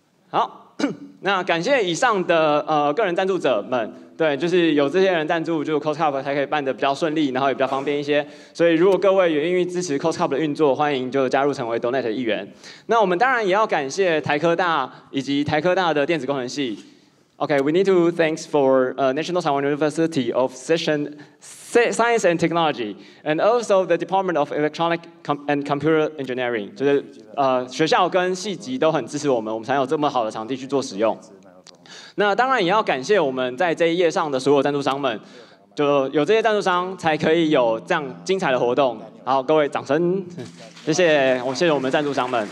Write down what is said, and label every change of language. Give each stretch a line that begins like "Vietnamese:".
Chinese: 好，那感谢以上的个人赞助者们。对，就是有这些人赞助，就 CostCup 才可以办得比较顺利，然后也比较方便一些。所以如果各位也愿意支持 CostCup 的运作，欢迎就加入成为 Donate 的一员。那我们当然也要感谢台科大以及台科大的电子工程系。
English: Okay, we need to thanks for National Taiwan University of Science and Technology, and also the Department of Electronic and Computer Engineering.
Chinese: 就是学校跟系级都很支持我们，我们才有这么好的场地去做使用。那当然也要感谢我们在这一页上的所有赞助商们，就有这些赞助商才可以有这样精彩的活动。好，各位掌声，谢谢，我谢谢我们赞助商们。